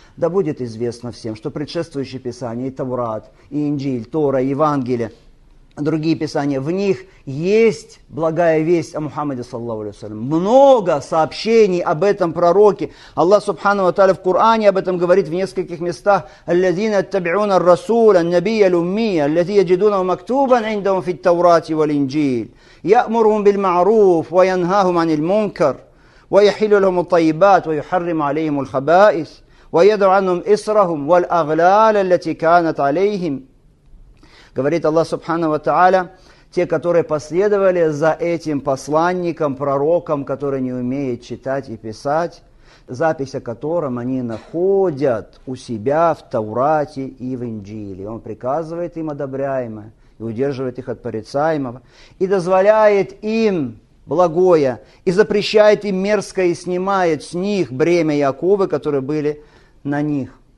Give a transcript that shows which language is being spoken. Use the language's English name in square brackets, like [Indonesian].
[Russian] Да будет известно всем, что предшествующие писания, и Таврат, и Инджиль, Тора, и Евангелие, другие писания, в них есть благая весть о Мухаммаде, саллаллаху алейхи ва саллям. Много сообщений об этом пророке. Аллах Субхану ва Тааля в Коране об этом говорит в нескольких местах. [Arabic] «Аллязина таббиуна ар-расуля, ан-набия ал-уммия, аллази яджидуна мактубан индахум фит таврати валь-инджиль». يأمرهم بالمعروف وينهاهم عن المنكر ويحل لهم الطيبات ويحرم عليهم الخبائث ويدع عنهم إسرهم والأغلال التي كانت عليهم. [Russian] Говорит Аллах Субхану ва Тааля: те, которые последовали за этим посланником, пророком, который не умеет читать и писать, запись о котором они находят у себя в Таврате и в Инджиле. Он приказывает им одобряемое и удерживает их от порицаемого, и дозволяет им благое, и запрещает им мерзкое, и снимает с них бремя и оковы, которые были на них.